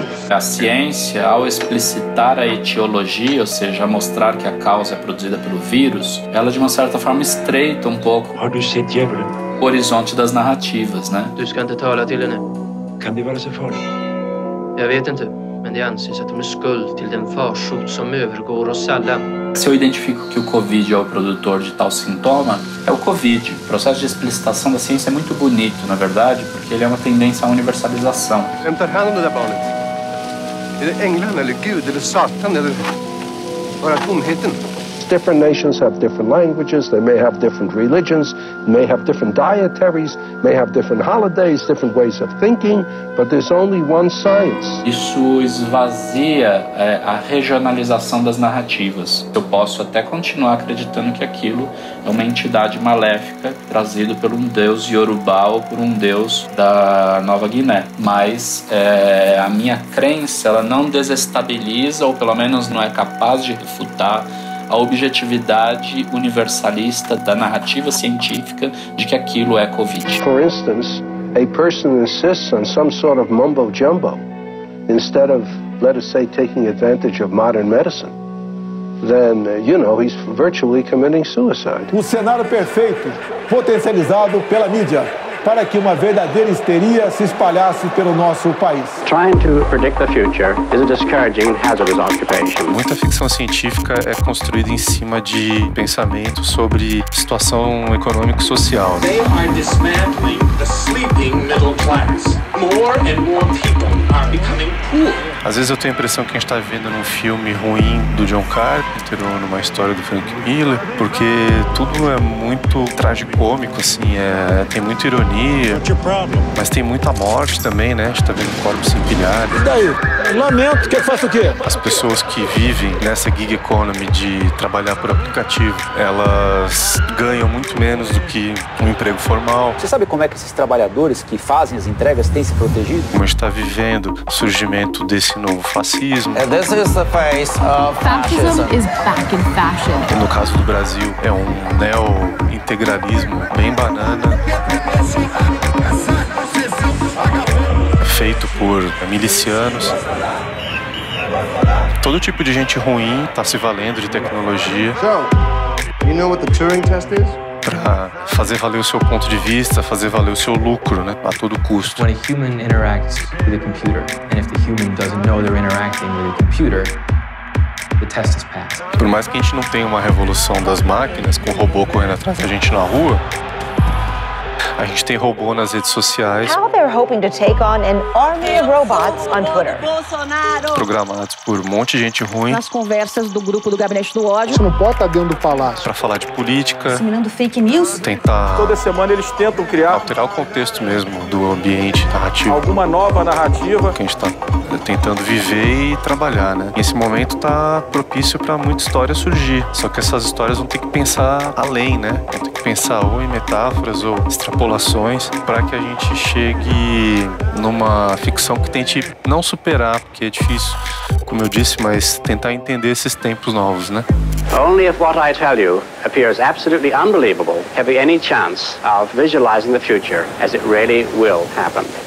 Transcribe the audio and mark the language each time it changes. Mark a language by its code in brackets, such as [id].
[pt] A ciência, ao explicitar a etiologia, ou seja, mostrar que a causa é produzida pelo vírus, ela de uma certa forma estreita um pouco o horizonte das narrativas, né? [sv] Du ska inte tala till henne. Kan det vara så farligt? Jag vet inte, men det anses att de är skuld till den farsot som övergår oss alla. [pt] Se eu identifico que o Covid é o produtor de tal sintoma, é o Covid. O processo de explicitação da ciência é muito bonito, na verdade, porque ele é uma tendência à universalização. [sv] Quem tar hand om det där barnet? Är det änglarna, eller Gud, eller Satan, eller bara tomheten? [en] Different nations have different languages, they may have different religions, may have different dietaries, may have different holidays, different ways of thinking, but there's only one science. [pt] Isso esvazia a regionalização das narrativas. Eu posso até continuar acreditando que aquilo é uma entidade maléfica trazido por um deus Yorubá ou por um deus da Nova Guiné. Mas a minha crença, ela não desestabiliza, ou pelo menos não é capaz de refutar a objetividade universalista da narrativa científica de que aquilo é Covid. [en] For instance, a person insists on some sort of mumbo jumbo instead of, let us say, taking advantage of modern medicine, then, you know, he's virtually committing suicide. [pt] O cenário perfeito, potencializado pela mídia, para que uma verdadeira histeria se espalhasse pelo nosso país. [en] Trying to predict the future is a discouraging and hazardous occupation. [pt] Muita ficção científica é construída em cima de pensamentos sobre situação econômico-social. [en] They are dismantling the sleeping middle class. More and more people are becoming poor. [pt] Às vezes eu tenho a impressão que a gente está vivendo num filme ruim do John Carpenter ou numa história do Frank Miller, porque tudo é muito tragicômico, assim, tem muita ironia, mas tem muita morte também, né? A gente está vendo corpos empilhados. E daí? Lamento, quer que faça o quê? As pessoas que vivem nessa gig economy de trabalhar por aplicativo, elas ganham muito menos do que um emprego formal. Você sabe como é que esses trabalhadores que fazem as entregas têm se protegido? Como a gente está vivendo o surgimento desse novo fascismo. [en] And this is the face of fascism. Is back in fashion. [pt] No caso do Brasil, é um neo-integralismo bem banana, feito por milicianos. Todo tipo de gente ruim está se valendo de tecnologia. [en] So, you know what the Turing test is? [pt] Para fazer valer o seu ponto de vista, fazer valer o seu lucro, né, a todo custo. [en] When a human interacts with a computer, and if the human doesn't know they're interacting with a computer, the test is passed. [pt] Por mais que a gente não tenha uma revolução das máquinas com robô correndo atrás da gente na rua, a gente tem robô nas redes sociais. [en] How they're hoping to take on an army of robots on Twitter. [pt] Programados por um monte de gente ruim. Nas conversas do grupo do gabinete do ódio. Você não pode estar dentro do palácio. Pra falar de política. Disseminando fake news. Tentar. Toda semana eles tentam criar. Alterar o contexto mesmo do ambiente narrativo. Alguma nova narrativa. Que a gente tá tentando viver e trabalhar, né? Esse momento tá propício pra muita história surgir. Só que essas histórias vão ter que pensar além, né? Vão ter que pensar ou em metáforas ou extrapolações para que a gente chegue numa ficção que tente não superar, porque é difícil, como eu disse, mas tentar entender esses tempos novos, né? [en] Only if what I tell you appears absolutely unbelievable have you any chance of visualizing the future as it really will happen.